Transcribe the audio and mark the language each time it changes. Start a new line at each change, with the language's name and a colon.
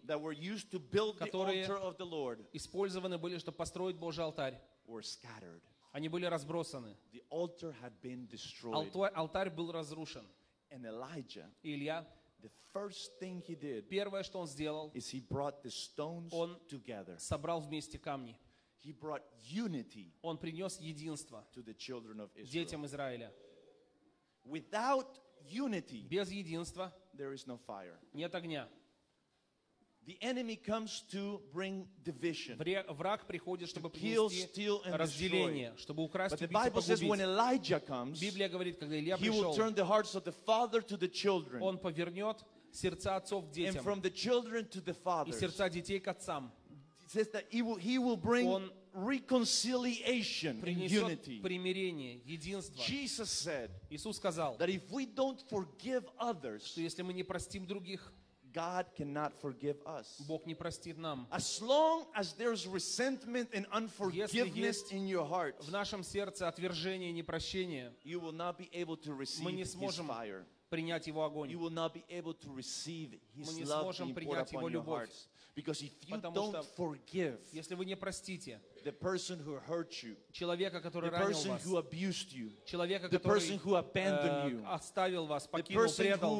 English: that were used to build the altar of the Lord,
Russian: использованы были, чтобы построить Божий алтарь,
English: were scattered.
Russian: Они были разбросаны.
English: The altar had been destroyed.
Russian: Алтарь был разрушен.
English: And Elijah,
Russian: и Илья,
English: The first thing he did
Russian: Первое, что он сделал,
English: is he brought the stones
Russian: он
English: together.
Russian: Собрал вместе камни.
English: He brought unity
Russian: он принес единство
English: to the children of Israel.
Russian: Детям Израиля.
English: Without unity,
Russian: без единства,
English: there is no fire.
Russian: Нет огня.
English: The enemy comes to bring division.
Russian: Враг приходит, чтобы
English: kill,
Russian: принести
English: steal, and
Russian: разделение,
English: destroy.
Russian: Чтобы украсть,
English: But the Bible
Russian: погубить.
English: Says when Elijah comes,
Russian: Библия говорит, когда Илья
English: he
Russian: пришел,
English: will turn the hearts of the father to the children.
Russian: Он повернет сердца отцов к детям.
English: And from the children to the fathers.
Russian: И сердца детей к отцам.
English: It says that he will bring
Russian: он
English: reconciliation and unity.
Russian: Примирение, единство.
English: Jesus said
Russian: Иисус сказал,
English: that if we don't forgive others,
Russian: что если мы не простим других,
English: God cannot forgive us.
Russian: Бог не простит нам.
English: As long as there's resentment and unforgiveness in your heart,
Russian: в нашем сердце отвержение и непрощение,
English: you will not be able to receive
Russian: мы не сможем
English: his fire.
Russian: принять Его огонь.
English: You will not be able to receive His love being poured upon your hearts. Because if you don't forgive the person who hurt you, the person who abused you, the person who abandoned you, the person